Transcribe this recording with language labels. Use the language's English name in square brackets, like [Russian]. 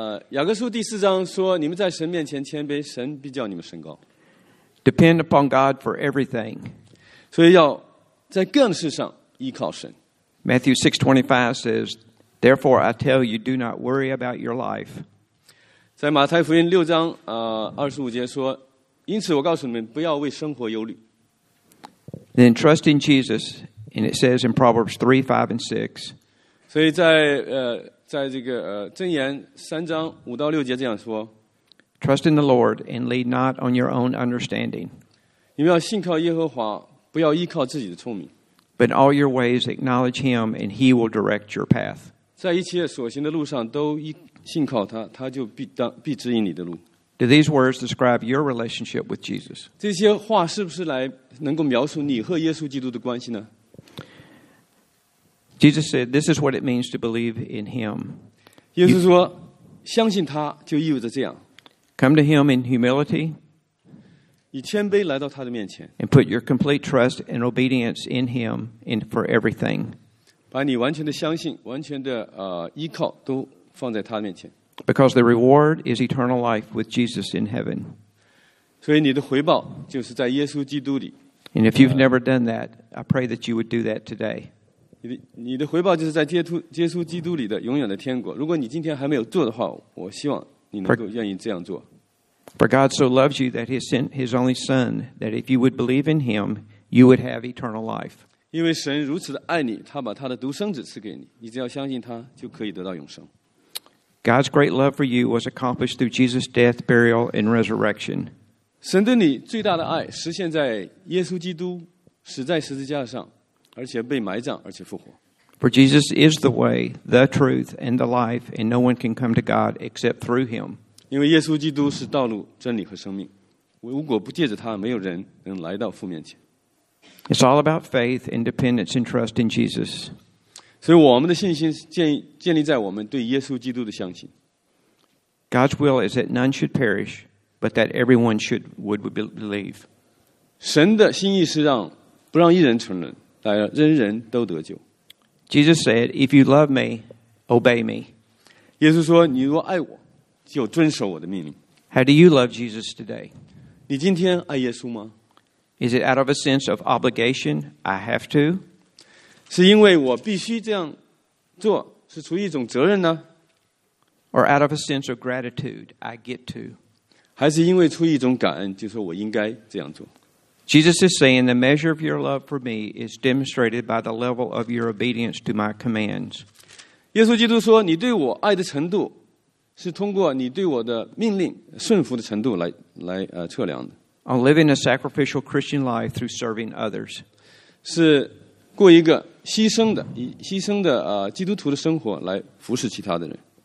[Chinese] 雅各书第四章说，你们在神面前谦卑，神必叫你们升高。 [English] Depend upon God for everything. [Chinese] 所以要在各样的事上依靠神。 [English] Matthew 6:25 says, Therefore I tell you, do not worry about your life. [Chinese] 在马太福音六章25节说，因此我告诉你们，不要为生活忧虑。 [English] Then trust in Jesus, and it says in Proverbs 3:5-6. [Chinese] 所以在这个箴言三章五到六节这样说。 [English] Trust in the Lord and lead not on your own understanding. [Chinese] 你们要信靠耶和华，不要依靠自己的聪明。 [English] But all your ways acknowledge him, and he will direct your path. [Chinese] 在一切所行的路上都信靠他，他就必指引你的路。 [English] Do these words describe your relationship with Jesus? [Chinese] 这些话是不是来能够描述你和耶稣基督的关系呢？ [English] Jesus said, "This is what it means to believe in Him." [Chinese] 耶稣说，相信他就意味着这样。 [English] Come to Him in humility. [Chinese] 以谦卑来到他的面前。 [English] And put your complete trust and obedience in Him and for everything. [Chinese] 把你完全的相信，完全的依靠都放在他面前。 [English] Because the reward is eternal life with Jesus in heaven. [Chinese] 所以你的回报就是在耶稣基督里。 [English] And if you've never done that, I pray that you would do that today. [Chinese] 你的回报就是在耶稣基督里的永远的天国。如果你今天还没有做的话，我希望你能够愿意这样做。 [English] For God so loves you that he sent his only son, that if you would believe in him, you would have eternal life. [Chinese] 因为神如此的爱你，他把他的独生子赐给你，你只要相信他就可以得到永生。 [English] God's great love for you was accomplished through Jesus' death, burial, and resurrection. [Chinese] 神对你最大的爱实现在耶稣基督死在十字架上，而且被埋葬，而且复活。 [English] For Jesus is the way, the truth, and the life, and no one can come to God except through him. [Chinese] 因为耶稣基督是道路、真理和生命，如果不借着他，没有人能来到父面前。 [English] It's all about faith, independence, and trust in Jesus. [Chinese] 所以我们的信心建立在我们对耶稣基督的相信。 [English] God's will is that none should perish, but that everyone would believe. [Chinese] 神的心意是不让一人存留，但人人都得救。 [English] Jesus said, "If you love me, obey me." [Chinese] 耶稣说，你若爱我，就遵守我的命令。 [English] How do you love Jesus today? [Chinese] 你今天爱耶稣吗？ [English] Is it out of a sense of obligation? I have to. [Chinese] 是因为我必须这样做，是出于一种责任呢？ [English] Or out of a sense of gratitude, I get to. [Chinese] 还是因为出于一种感恩，就是我应该这样做。 [English] Jesus is saying the measure of your love for me is demonstrated by the level of your obedience to my commands. [Chinese] 耶稣基督说，你对我爱的程度是通过你对我的命令顺服的程度来测量的。 [English] On living a sacrificial Christian life through serving others. [Chinese] 是过一个牺牲的基督徒的生活来服侍其他的人。